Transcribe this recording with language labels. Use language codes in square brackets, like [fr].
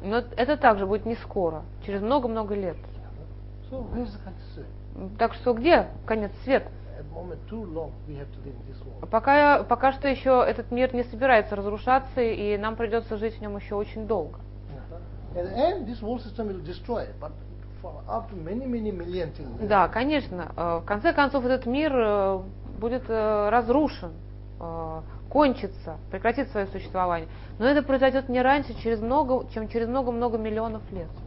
[ru] Но это также будет не скоро, через много-много лет. [en] So where is the end of it? [ru] Так что где конец света? [en] At the moment too long we have to live in this world. [ru] Пока что еще этот мир не собирается разрушаться, и нам придется жить в нем еще очень долго. [en] At the end this world system will destroy, but for after many many millions. [ru] Да, конечно, в конце концов этот мир будет разрушен. Кончится, прекратит свое существование. Но это произойдет не раньше, чем через много-много миллионов лет.